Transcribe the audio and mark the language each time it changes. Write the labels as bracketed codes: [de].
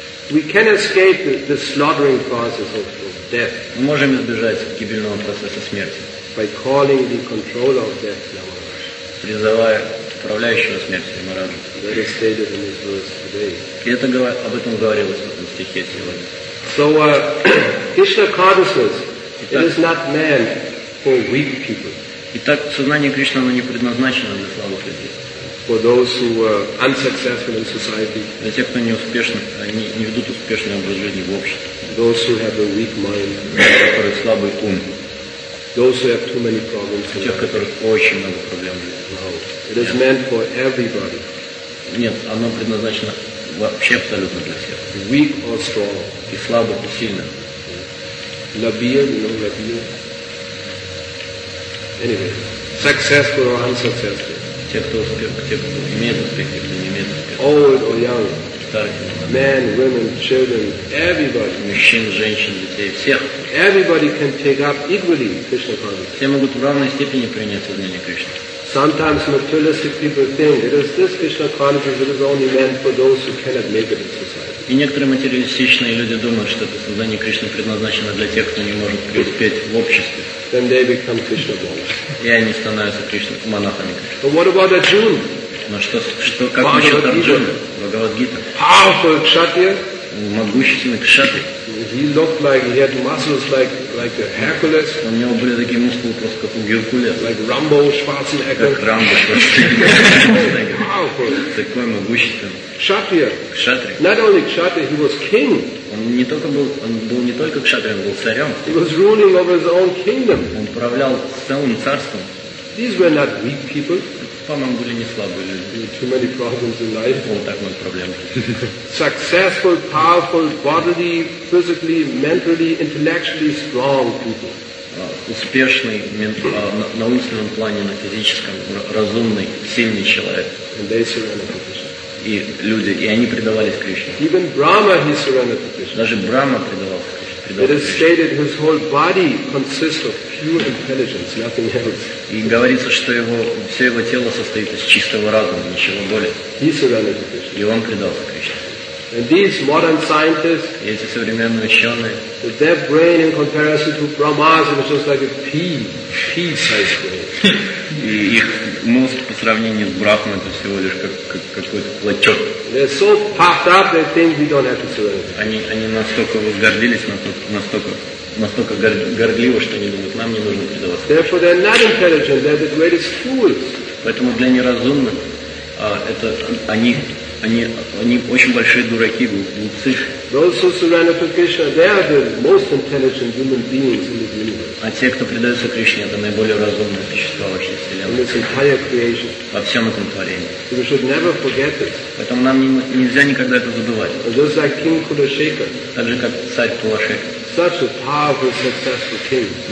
[en] we can escape the slaughtering process of death. [ru] Мы можем избежать гибельного процесса смерти. [en] By calling the controller of death, Ямарадж. [ru] Призывая управляющего смертью Ямараджу. [en] That is stated in his verse today. [ru] И это об этом говорилось в этом стихе сегодня. [en] So Krishna consciousness, it is not meant for weak people. [ru] Итак, сознание Кришны оно не предназначено для слабых людей. [en] For those who are unsuccessful in society. [ru] Для тех, кто неуспешен, они не ведут успешный образ жизни в обществе. [en] Those who have a weak mind. [ru] Которые слабый ум. [en] Those who have too many problems. [ru] Для тех, у которых очень много проблем в жизни. [en] It is meant for everybody. [ru] Нет, оно предназначено вообще абсолютно для всех. [en] Weak or strong. [ru] И слабых, и сильных. [en] Labir, you know labir. Anyway, successful or unsuccessful. [ru] Те, кто имеет успех, те, кто не имеет успех. [en] Old or young. [ru] Старых, молодых. [en] Men, women, children, everybody. [ru] Мужчин, женщин, детей, всех. [en] Everybody can take up equally Krishna consciousness. [ru] Все могут в равной степени принять сознание Кришны. [en] Sometimes materialistic people think it is this Krishna consciousness that is only meant for those who cannot make it in society. [ru] И некоторые материалистичные люди думают, что это сознание Кришны предназначено для тех, кто не может преуспеть в обществе. [en] Then they become Krishna monks. [ru] И они становятся Кришна-монахами. [en] But what about Arjuna? [ru] Но что как насчет Арджуны? Бхагавад-гита. [en] Powerful kshatriya. [ru] Могущественный кшатри. [en] He looked like he had muscles like a Hercules. [ru] У него были такие мускулы просто как у Геркулеса. [en] Like Rambo, Schwarzenegger. [ru] Как Рамбо, Schwarzenegger. [en] Powerful. [ru] Такой могущественный. Кшатрия. Кшатри. [en] Not only кшатри, he was king. [ru] Он был не только кшатри, он был царем. [en] He was ruling over his own kingdom. [ru] Он управлял целым царством. [en] These were not weak people. [ru] По-моему, были не слабые люди. [en] Too many problems in life. [ru] Он так много проблем. [en] Successful, powerful, bodily, physically, mentally, intellectually strong people. [ru] Успешный, на умственном плане, на физическом, разумный, сильный человек. [en] And they surrendered to Krishna. [ru] И люди, и они предавались Кришне. [en] Even Brahma he surrendered to Krishna. [ru] Даже Брахма предавался Кришне. [en] It is stated his whole body consists of pure intelligence, nothing else. [ru] И говорится, что все его тело состоит из чистого разума, ничего более. [en] He surrendered to Krishna. [ru] И он предался Кришне. [en] And these modern scientists, [ru] и эти современные ученые, [en] with their brain in comparison to Brahma's, it was just like a pea-sized brain. [ru] И их мозг по сравнению с Брахмой это всего лишь как какой-то клочок. [en] They're so puffed up, they think we don't have to surrender. [ru] Они настолько возгордились, настолько настолько горделивы, что они думают, нам не нужно предаваться. [en] Therefore, they're not intelligent. They're the greatest fools. [ru] Поэтому для неразумных это они очень большие дураки, глупцы. [en] Those who surrender to Krishna, they are the most intelligent human beings in this universe. [ru] А те, кто предаются Кришне, это наиболее разумные существа во всей вселенной. [en] In this entire creation. [ru] Во всем этом творении. [en] So we should never forget this. [ru] Поэтому нам нельзя никогда это забывать. [en] Just like King Kulashekha. [ru] Так же, как царь Кулашекха. [en] Such a powerful, successful king.